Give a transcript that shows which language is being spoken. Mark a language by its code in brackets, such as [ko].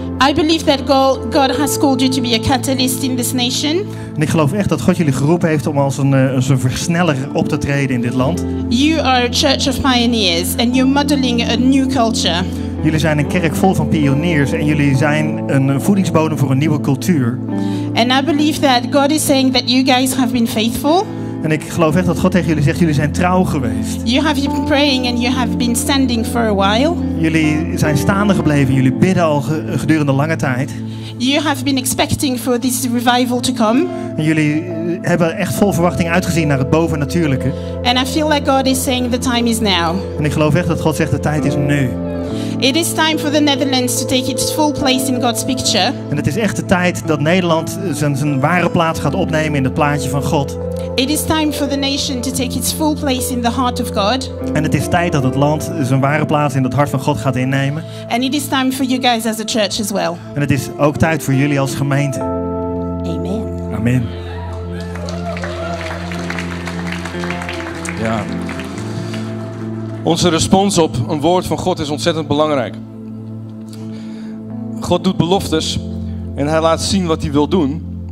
[en] I believe that God has called you to be a catalyst in this nation. [nl] En ik geloof echt dat God jullie geroepen heeft om als een versneller op te treden in dit land. [en] You are a church of pioneers and you're modeling a new culture. [nl] Jullie zijn een kerk vol van pioniers en jullie zijn een voedingsbodem voor een nieuwe cultuur. [en] And I believe that God is saying that you guys have been faithful. [nl] En ik geloof echt dat God tegen jullie zegt, jullie zijn trouw geweest. [en] You have been praying and you have been standing for a while. [nl] Jullie zijn staande gebleven, jullie bidden al gedurende lange tijd. [en] You have been expecting for this revival to come. [nl] En jullie hebben echt vol verwachting uitgezien naar het bovennatuurlijke. [en] And I feel like God is saying the time is now. [nl] En ik geloof echt dat God zegt de tijd is nu. [en] It is time for the Netherlands to take its full place in God's picture. [nl] En het is echt de tijd dat Nederland zijn ware plaats gaat opnemen in het plaatje van God. [en] It is time for the nation to take its full place in the heart of God. [nl] En het is tijd dat het land zijn ware plaats in het hart van God gaat innemen. [en] And it is time for you guys as a church as well. [nl] En het is ook tijd voor jullie als gemeente. Amen. Amen. Ja. Onze respons op een woord van God is ontzettend belangrijk. God doet beloftes en hij laat zien wat hij wil doen.